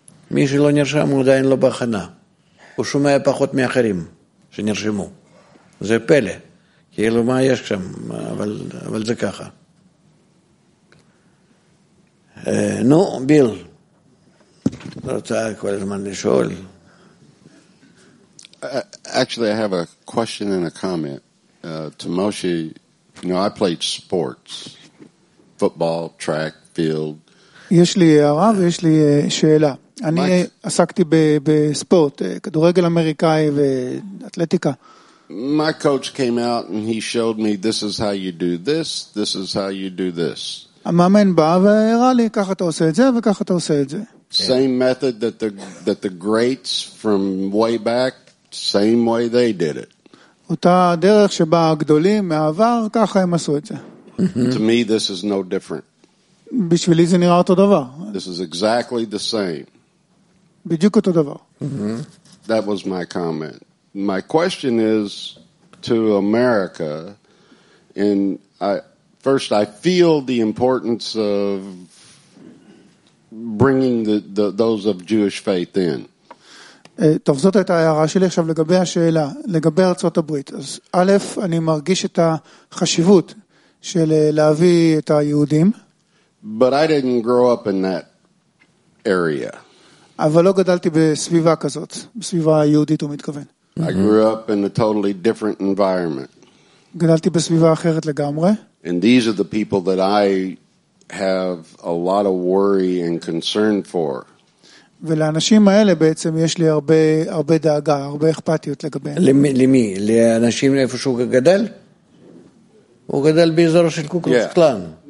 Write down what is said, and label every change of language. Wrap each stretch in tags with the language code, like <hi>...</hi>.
<he>מי שלא נרשם, הוא עדיין לא בהכנה. הוא שומע פחות מאחרים שנרשמו. זה פלא. כאילו, מה יש שם? אבל זה ככה. נו, ביל, רוצה כל הזמן לשאול?</he> <en>Actually, I have a question and a comment. To Moshe, you know, I played sports, football, track, field.</en> <he>יש לי הערה ויש לי שאלה. אני עסקתי בספורט, כדורגל אמריקאי ואתלטיקה.</he> <en>My coach came out and he showed me, this is how you do this, this is how you do this.</en> <he>המאמן בא והראה לי, ככה אתה עושה את זה וככה אתה עושה את זה.</he> <en>Same method that the greats from way back, same way they did it.</en> <he>אותה דרך שבה הגדולים מהעבר, ככה הם עשו את זה.</he> <en>To me, this is no different.</en> <he>בשבילי זה נראה אותו דבר.</he> <en>This is exactly the same.</en> <he>בדיוק אותו דבר.</he> <en>That was my comment. My question is to America, and I feel the importance of bringing those of Jewish faith in.</en> <he>טוב, זאת הייתה ההערה שלי עכשיו לגבי השאלה, לגבי ארצות הברית. אז א', אני מרגיש את החשיבות של להביא את היהודים. But I didn't grow up in that area. אבל לא גדלתי בסביבה כזאת, בסביבה היהודית הוא מתכוון. I grew up in a totally different environment. גדלתי בסביבה אחרת לגמרי. And these are the people that I have a lot of worry and concern for. ולאנשים האלה בעצם יש לי הרבה דאגה, הרבה אכפתיות לגביהם. למי? לאנשים איפה שהוא גדל? הוא גדל באזור של קוקלוקס קלאן.</he>